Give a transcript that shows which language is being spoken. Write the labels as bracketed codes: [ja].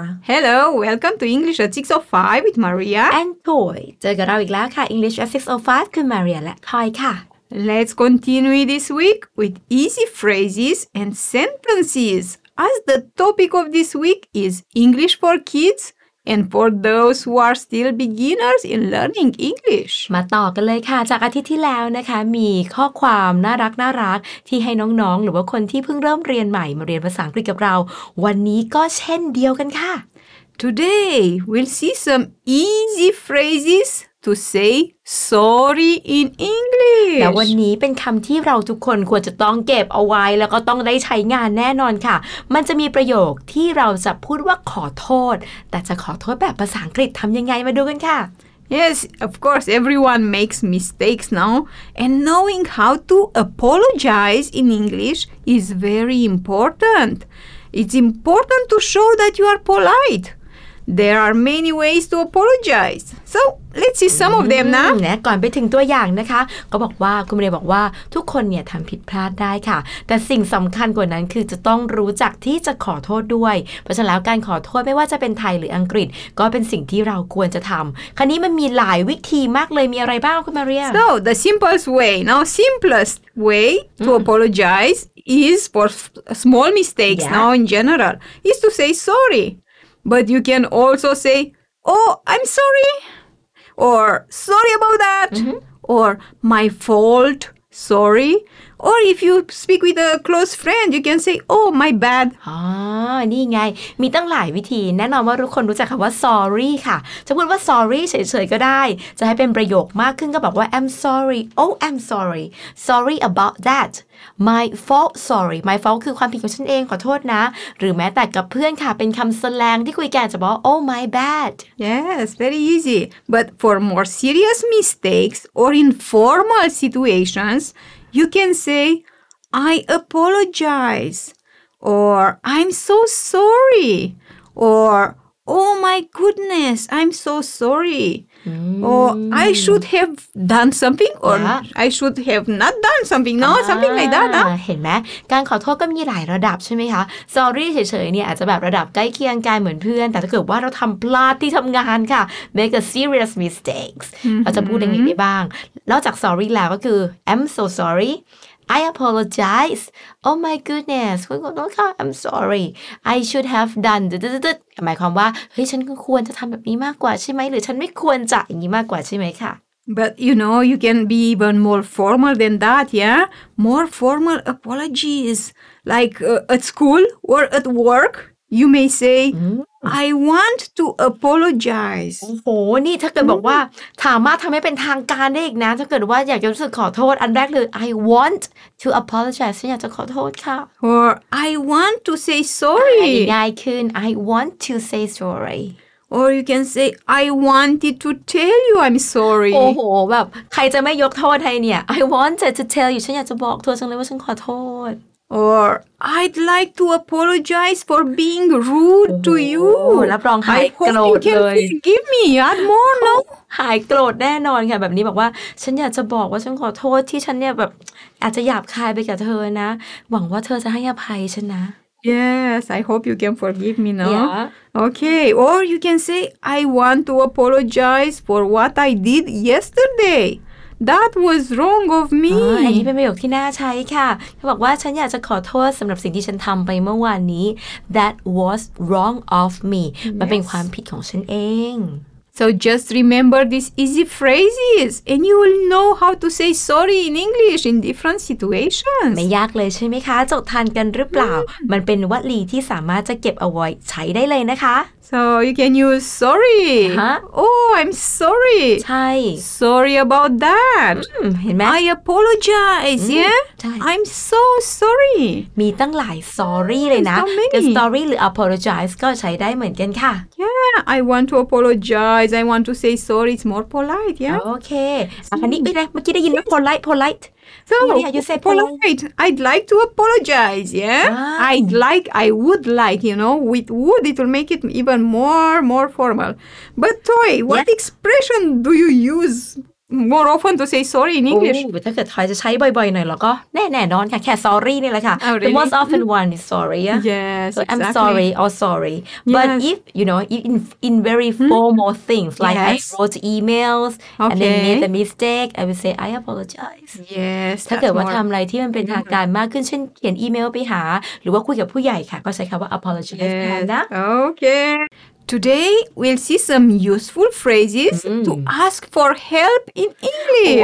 [en] Hello welcome to English at 6:05 with Maria [th] and Toy เจอกับเราอีกแล้วค่ะ English at 6:05 คือ Maria และ Toy ค่ะ [en] Let's continue this week with easy phrases and sentences as the topic of this week is English for kidsAnd for those who are still beginners in learning English. [th] มาต่อกันเลยค่ะจากอาทิตย์ที่แล้วนะคะมีข้อความน่ารักน่ารักที่ให้น้องๆหรือว่าคนที่เพิ่งเริ่มเรียนใหม่มาเรียนภาษาอังกฤษกับเราวันนี้ก็เช่นเดียวกันค่ะ [en] Today we'll see some easy phrases to say sorry in English. [th] และวันนี้เป็นคำที่เราทุกคนควรจะต้องเก็บเอาไว้แล้วก็ต้องได้ใช้งานแน่นอนค่ะมันจะมีประโยคที่เราจะพูดว่าขอโทษแต่จะขอโทษแบบภาษาอังกฤษทำยังไงมาดูกันค่ะ [en] Yes, of course, everyone makes mistakes now. And knowing how to apologize in English is very important. It's important to show that you are polite. There are many ways to apologize. So, let's see some of them now. [th] นะก่อนไปถึงตัวอย่างนะคะก็บอกว่าคุณเรียนบอกว่าทุกคนเนี่ยทำผิดพลาดได้ค่ะแต่สิ่งสำคัญกว่านั้นคือจะต้องรู้จักที่จะขอโทษด้วยเพราะฉะนั้นการขอโทษไม่ว่าจะเป็นไทยหรืออังกฤษก็เป็นสิ่งที่เราควรจะทำคราวนี้มันมีหลายวิธีมากเลยมีอะไรบ้างคุณมาเรีย [en] So, the simplest way, now simplest way to apologize is for small mistakes now in general is to say sorry. But you can also say, oh, I'm sorry, or sorry about that, or my fault, sorry. Or if you speak with a close friend, you can say, oh, my bad. [th] นี่ไงมีตั้งหลายวิธีแน่นอนว่าทุกคนรู้จักคำว่า sorry ค่ะจะพูดว่า sorry เฉยๆก็ได้จะให้เป็นประโยคมากขึ้นก็บอกว่า [en] I'm sorry, oh, I'm sorry, sorry about that. My fault, sorry. My fault [th] คือความผิดของฉันเองขอโทษนะหรือแม้แต่กับเพื่อนค่ะเป็นคำสแลงที่คุยกันจะบอก [en] Oh my bad. Yes, very easy. But for more serious mistakes or informal situations, you can say, I apologize. Or I'm so sorry. Or Oh my goodness, I'm so sorry. Or I should have done something or I should have not done something, no? Something like that, no? [th] เห็นไหมการขอโทษก็มีหลายระดับใช่ไหมคะ Sorry เฉยๆเนี่ยอาจจะแบบระดับใกล้เคียงกันเหมือนเพื่อนแต่ถ้าเกิดว่าเราทำพลาดที่ทำงานค่ะ [en] Make a serious mistakes [th] เราจะพูดอย่างนี้ได้บ้างนอกจาก Sorry แล้วก็คือ [en] I'm so sorryI apologize. Oh my goodness. [th] คุณก็ต้องค่ะ [en] I'm sorry. I should have done. [th] หมายความว่าเฮ้ยฉันควรจะทำแบบนี้มากกว่าใช่ไหมหรือฉันไม่ควรจะอย่างนี้มากกว่าใช่ไหมค่ะ [en] But you know you can be even more formal than that, yeah. More formal apologies, like at school or at work, you may say. I want to apologize. [th] โอ้โหนี่ถ้าเกิดบอกว่าสามารถทำให้เป็นทางการได้อีกนะถ้าเกิดว่าอยากจะรู้สึกขอโทษอันแรกเลย [en] I want to apologize [th] ฉันอยากจะขอโทษค่ะ [en] Or I want to say sorry. [th] ง่ายขึ้น [en] I want to say sorry. Or you can say, I wanted to tell you I'm sorry. [th] โอ้โหแบบใครจะไม่ยกโทษให้เนี่ย [en] I wanted to tell you. [th] ฉันอยากจะบอกเธอจังเลยว่าฉันขอโทษ [en] Or I'd like to apologize for being rude to you. [th] รับรองหายโกรธเลย [en] I hope you can forgive me yet more, no? [th] หายโกรธแน่นอนค่ะแบบนี้บอกว่าฉันอยากจะบอกว่าฉันขอโทษที่ฉันเนี่ยแบบอาจจะหยาบคายไปกับเธอนะหวังว่าเธอจะให้อภัยฉันนะ [en] Yes, I hope you can forgive me, no? Yeah. Okay, or you can say, I want to apologize for what I did yesterday. That was wrong of me. [th] อันนี้เป็นประโยคที่น่าใช้ค่ะเขาบอกว่าฉันอยากจะขอโทษสำหรับสิ่งที่ฉันทำไปเมื่อวานนี้ [en] That was wrong of me. [th] มันเป็นความผิดของฉันเอง [en] So just remember these easy phrases, and you will know how to say sorry in English in different situations. [th] ไม่ยากเลยใช่ไหมคะจดทานกันหรือเปล่า มันเป็นวลีที่สามารถจะเก็บเอาไว้ใช้ได้เลยนะคะ [en] So you can use sorry. Oh, I'm sorry. [th] ใช่ [en] Sorry about that. [th] เห็นไหม [en] I apologize. Yeah. I'm so sorry. [th] มีตั้งหลาย sorry เลยนะ sorry หรือ apologize ก็ใช้ได้เหมือนกันค่ะ [en] Yeah, I want to apologize. I want to say sorry. It's more polite. Yeah. [th] Okay. อันนี้อีกนะเมื่อกี้ได้ยินว่า polite, polite. [en] So, you say polite, I'd like to apologize, yeah? Ah. I would like, you know, with would, it will make it even more formal. But Toy, what expression do you use more often to say sorry in English. Oh, but [th] ถ้าเกิดทอยจะใช้บ่อยๆหน่อยแล้วก็แน่ๆนอนค่ะแค่ sorry นี่แหละค่ะ [en] oh, really? The most often one is sorry. Yeah? Yes, so exactly. I'm sorry or sorry. But yes. if, you know, in very formal things, like yes. I wrote emails okay. and then made a mistake, I would say I apologize. Yes, [th] ถ้าเกิดว่าทำอะไรที่มันเป็นทางการมากขึ้นเช่นเขียนอีเมลไปหาหรือว่าคุยกับผู้ใหญ่ค่ะก็ใช้คำว่า apologize [en] yes. [th] นะ [en] Okay. Today, we'll see some useful phrases to ask for help in English.